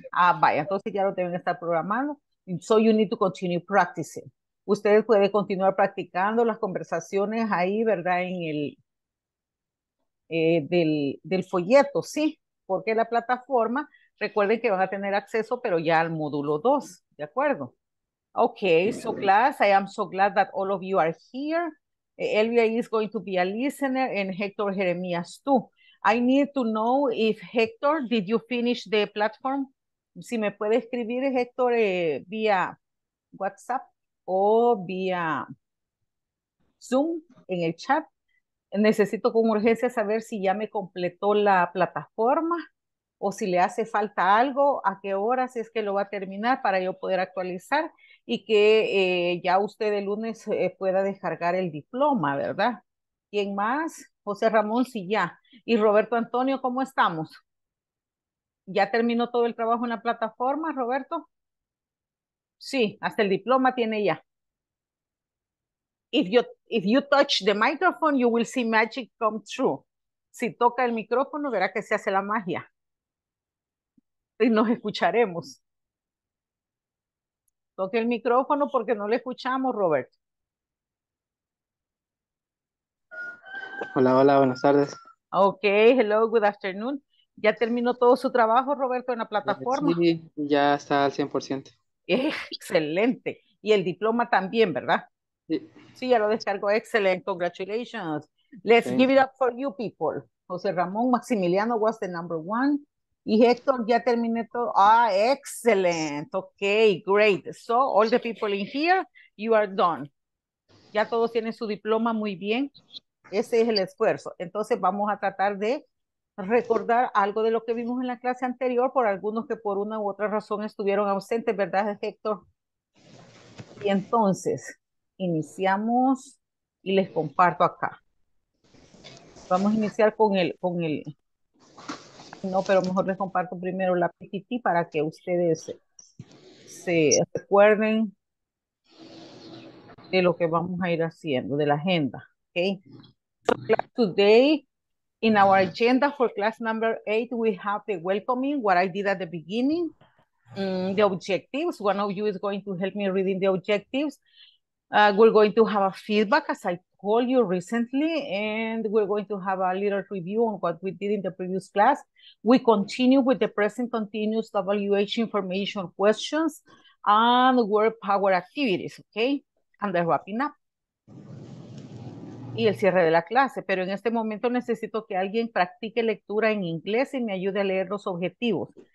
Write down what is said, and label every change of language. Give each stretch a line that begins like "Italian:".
Spanish: ah, vaya, entonces ya lo deben estar programando.
English: So you need to continue practicing.
Spanish: Ustedes pueden continuar practicando las conversaciones ahí, ¿verdad? En el del folleto, ¿sí? Porque la plataforma, recuerden que van a tener acceso, pero ya al módulo 2, ¿de acuerdo?
English: Okay, so class, I am so glad that all of you are here. Elvia is going to be a listener and Hector Jeremías too. I need to know if Hector, did you finish the platform?
Spanish: Si me puede escribir Hector vía WhatsApp o vía Zoom en el chat Necesito con urgencia saber si ya me completó la plataforma o si le hace falta algo, a qué horas es que lo va a terminar para yo poder actualizar y que ya usted el lunes pueda descargar el diploma, ¿verdad? ¿Quién más? José Ramón, sí, ya. Y Roberto Antonio, ¿cómo estamos? ¿Ya terminó todo el trabajo en la plataforma, Roberto? Sí, hasta el diploma tiene ya.
English: If you touch the microphone, you will see magic come true.
Spanish: Si toca el micrófono, verá que se hace la magia. Y nos escucharemos. Toque el micrófono porque no le escuchamos, Robert. Hola, hola, buenas tardes.
English: Ok, hello, good afternoon.
Spanish: ¿Ya terminó todo su trabajo, Roberto, en la plataforma? Sí, ya está al 100%. Excelente. Y el diploma también, ¿verdad? Sí. Sí, ya lo descargo. Excelente. Congratulations.
English: Let's Thank give it up for you people. José Ramón Maximiliano was the number one.
Spanish: Y Héctor, ya terminé todo.
English: Ah, excelente. Okay, great. So, all the people in here, you are done.
Spanish: Ya todos tienen su diploma. Muy bien. Ese es el esfuerzo. Entonces, vamos a tratar de recordar algo de lo que vimos en la clase anterior por algunos que por una u otra razón estuvieron ausentes, ¿verdad, Héctor? Y entonces, iniciamos y les comparto acá. Vamos a iniciar con el. No, pero mejor les comparto primero la PPT para que ustedes se recuerden de lo que vamos a ir haciendo, de la agenda. Okay.
English: So, today, in our agenda for class number 8, we have the welcoming, what I did at the beginning, the objectives. One of you is going to help me reading the objectives. We're going to have a feedback, as I told you recently, and we're going to have a little review on what we did in the previous class. We continue with the present continuous WH information questions and word power activities, okay? And the wrapping up.
Spanish: Y el cierre de la clase. Pero en este momento necesito que alguien practique lectura en inglés y me ayude a leer los objetivos.